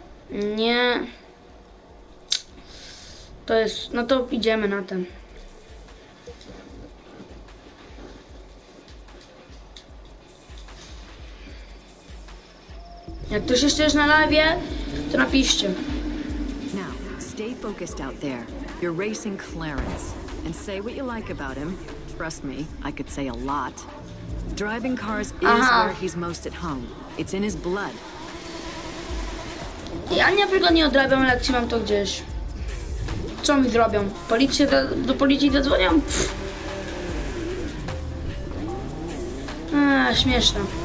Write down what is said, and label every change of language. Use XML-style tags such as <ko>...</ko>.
<pl>Nie. To jest... No to idziemy na ten. Jak ktoś jeszcze jest na live, to napiszcie.</pl> <en>Now, stay focused out there. You're racing Clarence. And say what you like about him. Trust me, I could say a lot. Driving cars is where he's most at home. It's in his blood.</en> <pl>Ja nie wygodnie odrabiam, ale jak ci mam to gdzieś. Co mi zrobią? Policję do policji zadzwonią? Śmieszne.</pl>